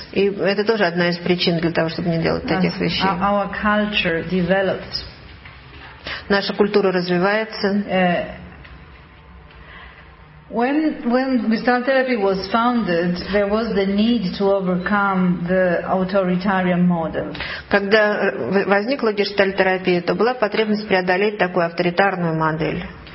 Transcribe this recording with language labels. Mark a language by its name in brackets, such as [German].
[Russian] И это тоже одна из причин для того, чтобы не делать таких вещей. [English] Our culture developed. [Russian] Наша культура развивается. [English] When Gestalt therapy was founded, there was the need to overcome the authoritarian model. [Russian] Когда возникла гештальт-терапия, то была потребность преодолеть такую авторитарную модель.